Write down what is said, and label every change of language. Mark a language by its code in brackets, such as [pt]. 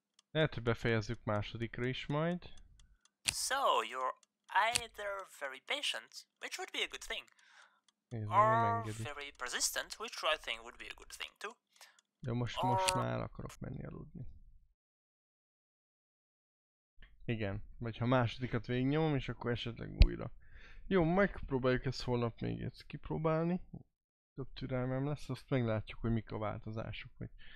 [hu] Lehet, hogy befejezzük másodikra is majd. [en] So, you're either very patient, which would be a good thing. Or very persistent, which I think would be a good thing too. [hu] De most már akarok menni aludni. Igen, vagy ha másodikat végignyomom, és akkor esetleg újra. Jó, megpróbáljuk ezt holnap még egyszer kipróbálni. Több türelmem lesz, azt meglátjuk, hogy mik a változások, vagy...